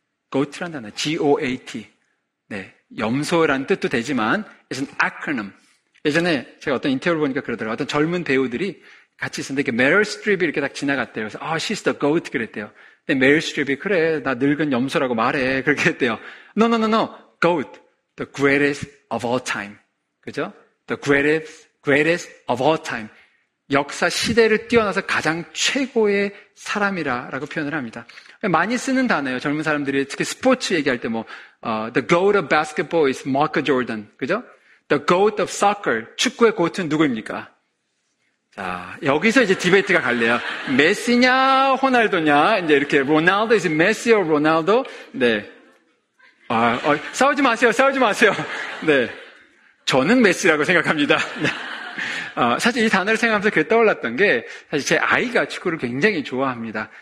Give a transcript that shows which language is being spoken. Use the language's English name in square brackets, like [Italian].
[Korean] goat라는 단어, G-O-A-T. 네, 염소라는 뜻도 되지만 [English] is an acronym. [Korean] 예전에 제가 어떤 인터뷰를 보니까 그러더라고요. 어떤 젊은 배우들이 같이 있었는데 메릴 스트립이 이렇게 딱 지나갔대요. 그래서 아, [English] she's the goat [Korean] 그랬대요. 근데 메릴 스트립이 그래, 나 늙은 염소라고 말해. 그렇게 했대요. [English] No, no, no, no. Goat, the greatest of all time. [Korean] 그죠? [English] The greatest of all time. [Korean] 역사 시대를 뛰어나서 가장 최고의 사람이라고 표현을 합니다. 많이 쓰는 단어예요. 젊은 사람들이 특히 스포츠 얘기할 때 뭐 [English] the goat of basketball is Michael Jordan. [Korean] 그죠? [English] The goat of soccer, [Korean] 축구의 goat은 누구입니까? 자, 여기서 이제 디베이트가 갈래요. 메시냐, 호날두냐, 이제 이렇게, 로날두, [English] is it Messi or Ronaldo? [Korean] 네. 싸우지 마세요, 싸우지 마세요. 네. 저는 메시라고 생각합니다. 네. 사실 이 단어를 생각하면서 그게 떠올랐던 게, 사실 제 아이가 축구를 굉장히 좋아합니다.